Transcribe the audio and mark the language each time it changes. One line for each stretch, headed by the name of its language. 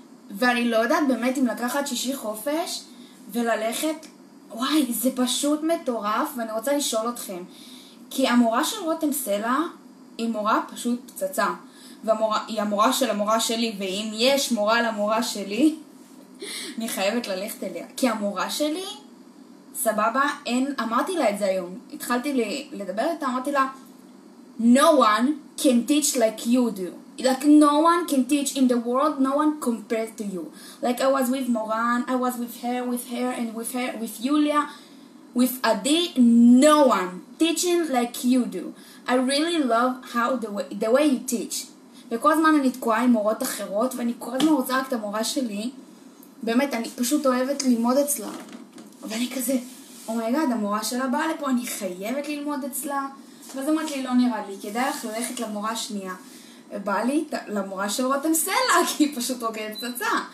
Hebrew: ואני לא יודעת באמת אם לקחת שישי חופש וללכת, וואי, זה פשוט מטורף, ואני רוצה לשאול אתכם, כי המורה של רותם סלע היא מורה פשוט פצצה. והיא המורה של המורה שלי, ואם יש מורה למורה שלי, אני חייבת ללכת אליה. כי המורה שלי, סבבה, אין, אמרתי לה את זה היום. התחלתי לדבר איתה, אמרתי לה,
English: no one can teach like you do. Like, no one can teach in the world, no one compared to you. Like, I was with Moran, I was with her, with Yulia, with Adi, no one teaching like you do. I really love how the way you teach.
Hebrew: וכל הזמן אני תקועה עם מורות אחרות, ואני כל הזמן רוצה רק את המורה שלי. באמת, אני פשוט אוהבת ללמוד אצלה. ואני כזה, אומייגד, המורה שלה באה לפה, אני חייבת ללמוד אצלה. ואז אמרת לי, לא נראה לי, כדאי לך ללכת למורה השנייה. ובא לי למורה של רותם סלע, כי היא פשוט רוקדת פצצה.